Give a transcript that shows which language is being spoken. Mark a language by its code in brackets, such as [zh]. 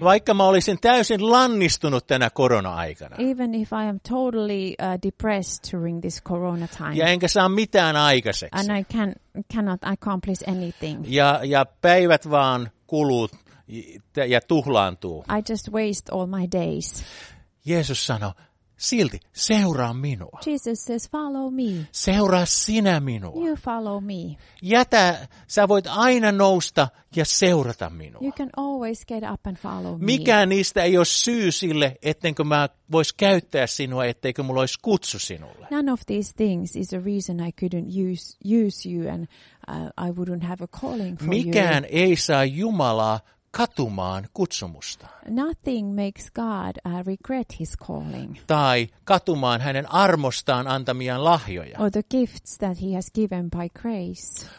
[fi] Vaikka mä olisin täysin lannistunut tänä korona-aikana. [en] Even if I am totally depressed during this corona time. [fi] Ja enkä saa mitään aikaiseksi. [en] And I cannot accomplish anything. [fi] Ja päivät vaan kuluu ja tuhlaantuu. [en] I just waste all my days. [fi] Jeesus sanoi, silti seuraa minua. [en] Jesus says, follow me. [fi] Seuraa sinä minua. [en] You follow me. [fi] Jätä, sä voit aina nousta ja seurata minua. [en] You can always get up and follow me. [fi] Mikään niistä ei ole syy sille, ettenkö mä vois käyttää sinua, etteikö mulla olisi kutsu sinulle. [en] None of these things is a reason I couldn't use you and I wouldn't have a calling for [fi] Mikään [en] you. [fi] Mikään ei saa Jumalaa katumaan kutsumustaan. [en] Nothing makes God regret his calling. [fi] Tai katumaan hänen armostaan antamiaan lahjoja. [en] Or the gifts that he has given by grace.